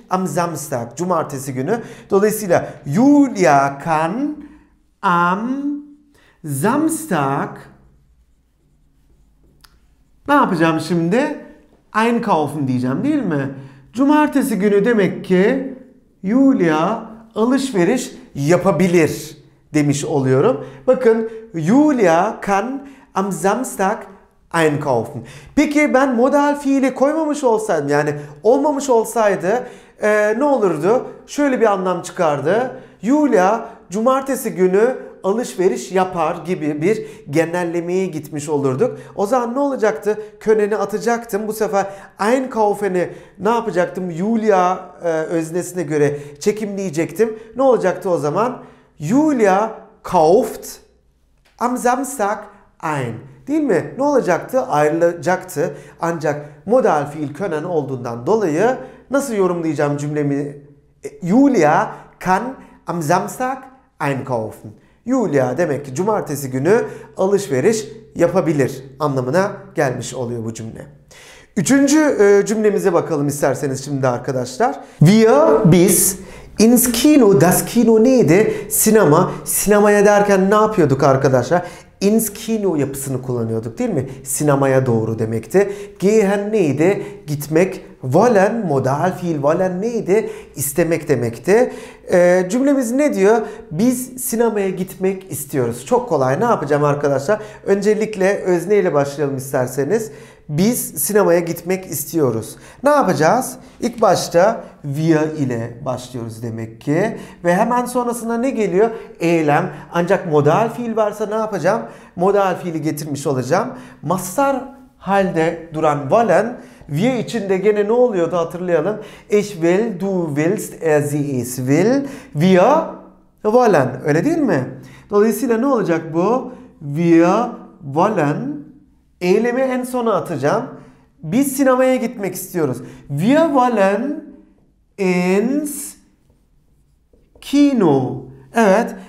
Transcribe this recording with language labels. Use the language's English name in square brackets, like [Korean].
[German] Am Samstag, [Turkish] cumartesi günü. Dolayısıyla [German] Julia kann am Samstag [Turkish] ne yapacağım şimdi? Einkaufen diyeceğim değil mi? Cumartesi günü demek ki Julia alışveriş yapabilir demiş oluyorum. Bakın [German] Julia kann am Samstag einkaufen. [Turkish] Peki ben modal fiili koymamış olsaydım yani olmamış olsaydı ne olurdu? Şöyle bir anlam çıkardı. Julia cumartesi günü alışveriş yapar gibi bir genellemeye gitmiş olurduk. O zaman ne olacaktı? Können'i atacaktım. Bu sefer einkaufen'i ne yapacaktım? Julia öznesine göre çekimleyecektim. Ne olacaktı o zaman? [German] Julia kauft am Samstag ein. [Turkish] Değil mi? Ne olacaktı? Ayrılacaktı. Ancak modal fiil können olduğundan dolayı nasıl yorumlayacağım cümlemi? [German] Julia kann am Samstag einkaufen. [Turkish] Julia demek ki cumartesi günü alışveriş yapabilir anlamına gelmiş oluyor bu cümle. Üçüncü cümlemize bakalım isterseniz şimdi arkadaşlar. Biz [German] ins Kino, das Kino [Turkish] neydi? Sinema. Sinemaya derken ne yapıyorduk arkadaşlar? [German] Ins Kino [Turkish] yapısını kullanıyorduk değil mi? Sinemaya doğru demekti. Gehen neydi? Gitmek. Wollen, modal fiil wollen neydi? İstemek demekti. Cümlemiz ne diyor? Biz sinemaya gitmek istiyoruz. Çok kolay. Ne yapacağım arkadaşlar? Öncelikle özne ile başlayalım isterseniz. Biz sinemaya gitmek istiyoruz. Ne yapacağız? İlk başta wir ile başlıyoruz demek ki. Ve hemen sonrasında ne geliyor? Eylem. Ancak modal fiil varsa ne yapacağım? Modal fiili getirmiş olacağım. Mastar halde duran [German] wollen wir [Turkish] içinde gene ne oluyordu hatırlayalım. [German] Ich will, du willst, er, sie, es will. Wir wollen. [Turkish] Öyle değil mi? Dolayısıyla ne olacak bu? [German] Wir wollen. [Turkish] Eylemi en sona atacağım. Biz sinemaya gitmek istiyoruz. [German] Wir wollen ins Kino. [Turkish] Evet.